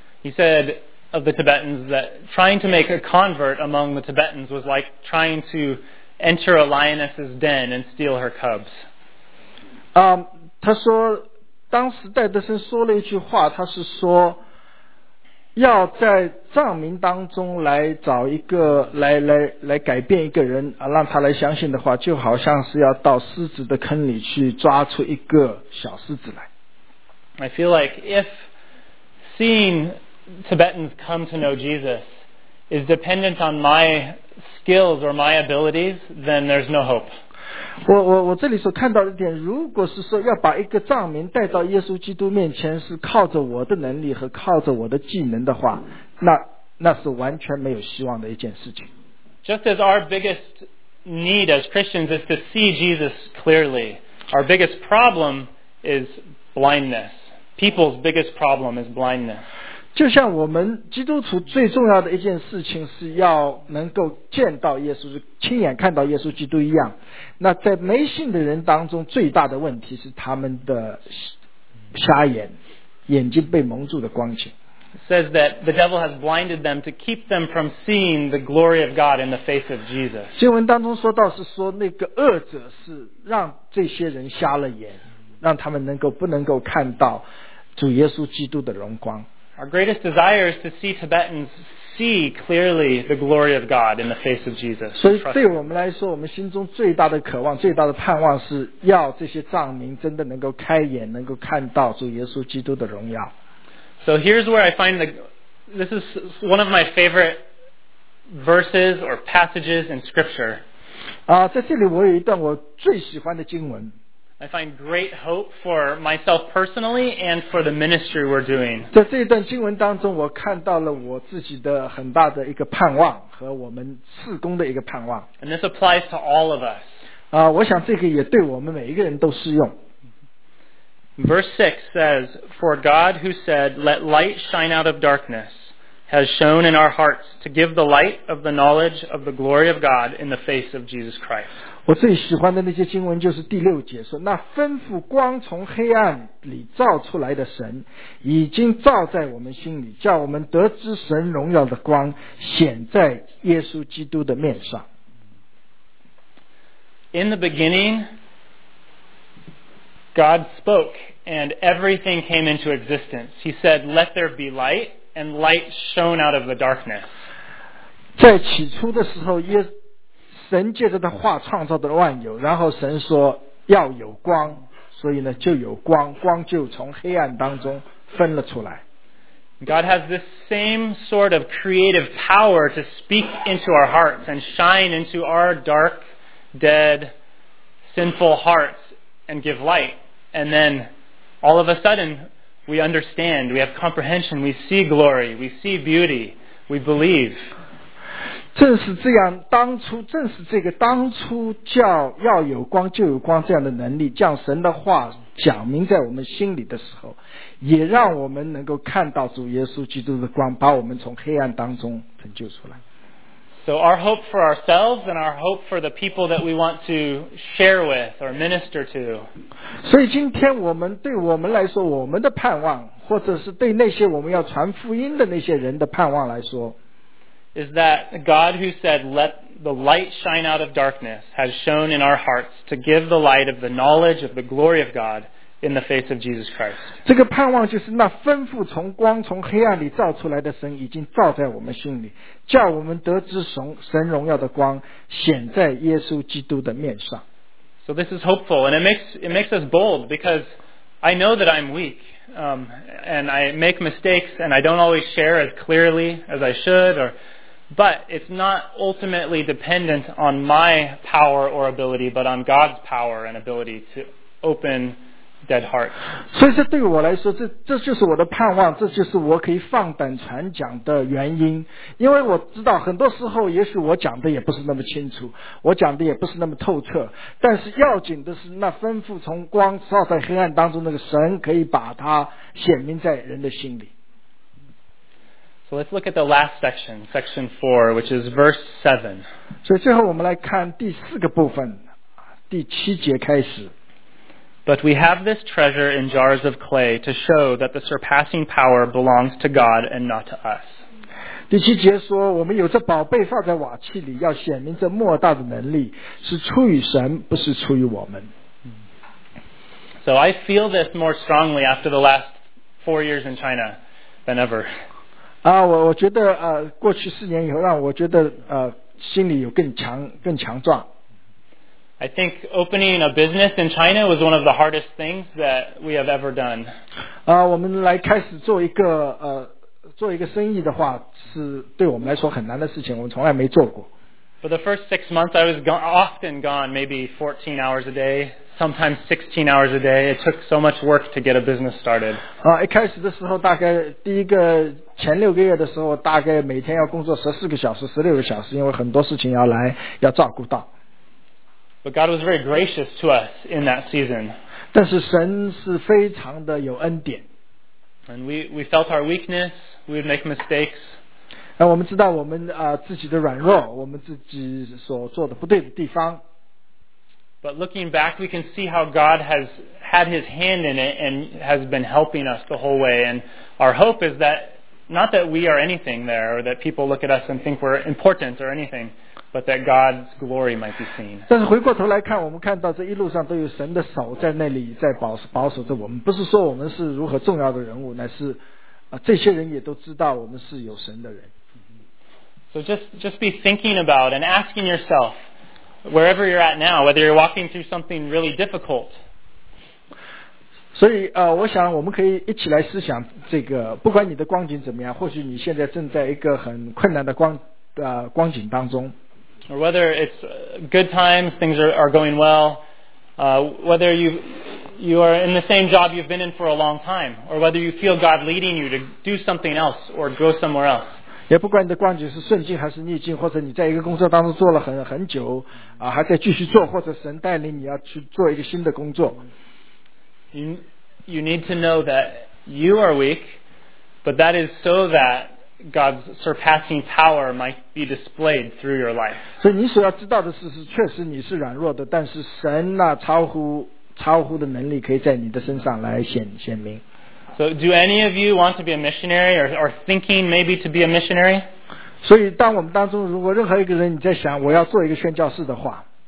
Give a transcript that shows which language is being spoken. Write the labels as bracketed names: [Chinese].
[English] He said,of the Tibetans that trying to make a convert among the Tibetans was like trying to enter a lioness's den and steal her cubs. [Chinese] 他说当时戴德森说了一句话，他是说要在藏民当中来找一个来改变一个人，让他来相信的话，就好像是要到狮子的坑里去抓出一个小狮子来。 [English] I feel like if seeingTibetans come to know Jesus is dependent on my skills or my abilities, then there's no hope. [Chinese] 我这里所看到的点，如果是说要把一个藏民带到耶稣基督面前，是靠着我的能力和靠着我的技能的话，那是完全没有希望的一件事情。 [English] Just as our biggest need as Christians is to see Jesus clearly, our biggest problem is blindness. People's biggest problem is blindness. [Chinese] 就像我们基督徒最重要的一件事情是要能够见到耶稣，亲眼看到耶稣基督一样，那在没信的人当中最大的问题是他们的瞎眼，眼睛被蒙住的光景。 [English] It says that the devil has blinded them to keep them from seeing the glory of God in the face of Jesus. [Chinese] 经文当中说到是说那个恶者是让这些人瞎了眼，让他们不能够看到主耶稣基督的荣光。 [English] Our greatest desire is to see Tibetans see clearly the glory of God in the face of Jesus. [Chinese] 所以对我们来说，我们心中最大的渴望、最大的盼望是要这些帐民真的能够开眼，能够看到主耶稣基督的荣耀。 [English] So here's where I find this is one of my favorite verses or passages in Scripture. [Chinese] 啊，在这里我有一段我最喜欢的经文。 [English] I find great hope for myself personally and for the ministry we're doing. [Chinese] 在这一段经文当中，我看到了我自己的很大的一个盼望和我们事工的一个盼望。 [English] And this applies to all of us. [Chinese] 啊，我想这个也对我们每一个人都适用。 [English] Verse 6 says, "For God who said, 'Let light shine out of darkness,' has shown in our hearts to give the light of the knowledge of the glory of God in the face of Jesus Christ." [Chinese] 我最喜欢的那些经文就是第六节说，那吩咐光从黑暗里照出来的神，已经照在我们心里，叫我们得知神荣耀的光显在耶稣基督的面上。 [English] In the beginning, God spoke, and everything came into existence. He said, "Let there be light." And light shone out of the darkness. [Chinese] 在起初的时候，神借着的话创造的万有，然后神说要有光，所以呢就有光，光就从黑暗当中分了出来。 [English] God has this same sort of creative power to speak into our hearts and shine into our dark, dead, sinful hearts and give light. And then all of a sudden,We understand, we have comprehension, we see glory, we see beauty, we believe. [Chinese] 正是这样，当初正是这个当初叫要有光就有光这样的能力，将神的话讲明在我们心里的时候，也让我们能够看到主耶稣基督的光，把我们从黑暗当中拯救出来。 [English] So our hope for ourselves and our hope for the people that we want to share with or minister to. [Chinese] 所以今天我们对我们来说，我们的盼望，或者是对那些我们要传福音的那些人的盼望来说， [English] is that God who said, "Let the light shine out of darkness," has shone in our hearts to give the light of the knowledge of the glory of God in the face of Jesus Christ. [Chinese] 这个盼望就是那吩咐从光从黑暗里照出来的神已经照在我们心里。叫我们得知神荣耀的光显在耶稣基督的面上。 [English] So this is hopeful, and it makes us bold because I know that I'm weak, and I make mistakes, and I don't always share as clearly as I should. But it's not ultimately dependent on my power or ability, but on God's power and ability to open dead hearts. [Chinese] 所以这对我来说，这就是我的盼望，这就是我可以放胆传讲的原因。因为我知道很多时候也许我讲的也不是那么清楚，我讲的也不是那么透彻，但是要紧的是那吩咐从光照在黑暗当中那个神可以把它显明在人的心里。 [English] So let's look at the last section, section 4, which is verse 7. [Chinese] 所以最后我们来看第四个部分，第七节开始。 [English] But we have this treasure in jars of clay to show that the surpassing power belongs to God and not to us. [Chinese] 第七节说，我们有这宝贝放在瓦器里，要显明这莫大的能力是出于神，不是出于我们。 [English] So I feel this more strongly after the last 4 years in China than ever. [Chinese] 我觉得过去四年以后，让我觉得心里有更强壮。 [English] I think opening a business in China was one of the hardest things that we have ever done. [Chinese] 我们来开始做一个生意的话，是对我们来说很难的事情，我们从来没做过。 [English] For the first 6 months, I was often gone, maybe 14 hours a day, sometimes 16 hours a day. It took so much work to get a business started. [Chinese] 一开始的时候，大概第一个前六个月的时候，大概每天要工作14个小时、16个小时，因为很多事情要来要照顾到。 [English] But God was very gracious to us in that season. [Chinese] 但是神是非常的有恩典。 [English] And we felt our weakness. We would make mistakes. [Chinese] 我们知道我们自己的软弱，我们自己所做的不对的地方。 [English] But looking back, we can see how God has had His hand in it and has been helping us the whole way. And our hope is that not that we are anything there, or that people look at us and think we're important or anything. But that God's glory might be seen. [Chinese] 但是回过头来看，我们看到这一路上都有神的手在那里在保守着我们。不是说我们是如何重要的人物，乃是这些人也都知道我们是有神的人。 [English] So just be thinking about and asking yourself, wherever you're at now, whether you're walking through something really difficult. [Chinese] 所以我想我们可以一起来思想这个，不管你的光景怎么样，或许你现在正在一个很困难的光景当中。 [English] Or whether it's good times, things are going well, whether you are in the same job you've been in for a long time, or whether you feel God leading you to do something else or go somewhere else. [Chinese] 也不管你的光景是顺境还是逆境，或者你在一个工作当中做了很久，还在继续做，或者神带领你要去做一个新的工作。 [English] You need to know that you are weak, but that is so that God's surpassing power might be displayed through your life. [Chinese] 所以你所要知道的是确实你是软弱的，但是神那超乎的能力可以在你的身上来显明。 [English] So do any of you want to be a missionary or thinking maybe to be a missionary? [Chinese] 所以当我们当中如果任何一个人你在想我要做一个宣教士的话，